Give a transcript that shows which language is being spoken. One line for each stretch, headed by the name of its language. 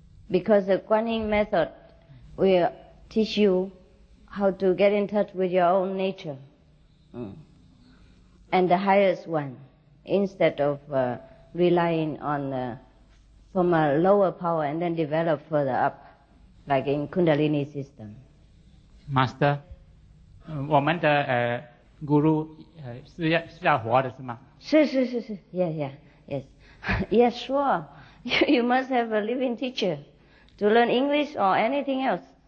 English: Because the Kuan Yin method will teach you how to get in touch with your own nature and the highest one, instead of relying on from a lower power and then develop further up, like in Kundalini system.
Chinese: Master, 我们的guru 是要活的是吗? 是是是是,
English: yes. Yes, sure. You must have a living teacher to learn English or anything else.